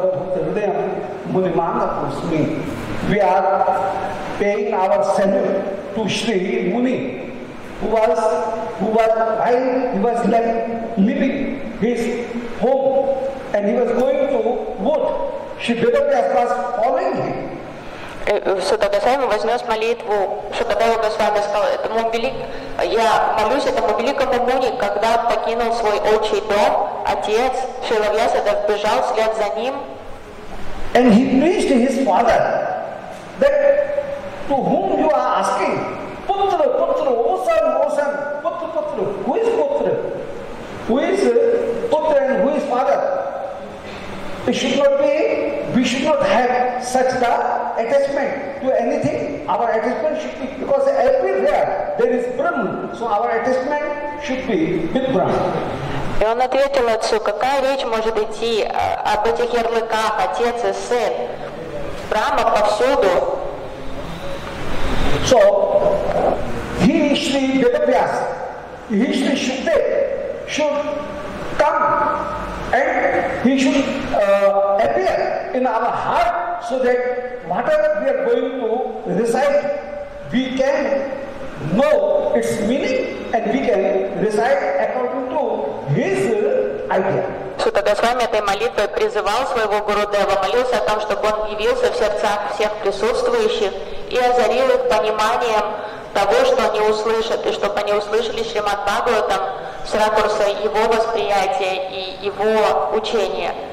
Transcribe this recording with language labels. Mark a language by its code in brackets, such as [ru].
[en] We are paying our salute to Shri Muni, who was left living his home, and he was going to wood. Shri Vedavyas was following him. [ru] Сута Госвами вознес молитву Шукадеву Госвами, сказал, этому я молюсь этому великому Муни, когда покинул свой отчий дом, отец Шрила Вьясада бежал вслед за ним. [en] And he preached to his father that to whom you are asking, Putra, Putra, O son, O son, Putra, Putra, who is Putra? Who is Putra and who is father? It should not be, we should not have such the attachment to anything. Our attachment should be, because everywhere there is Brahma, so our attachment should be with Brahma. [ru] И он ответил отцу, какая речь может идти об этих ярлыках, отец и сын, прямо повсюду. [en] So, he Shri Vedavyas, he Shri Shukadev should come and he should appear in our heart so that whatever we are going to recite, we can know its meaning and we can recite according to his idea. [ru] Сута Госвами этой молитвой призывал своего Гурудева, молился о том, чтобы он явился в сердцах всех присутствующих и озарил их пониманием того, что они услышат, и чтобы они услышали Шримад Бхагаватам с ракурса его восприятия и его учения.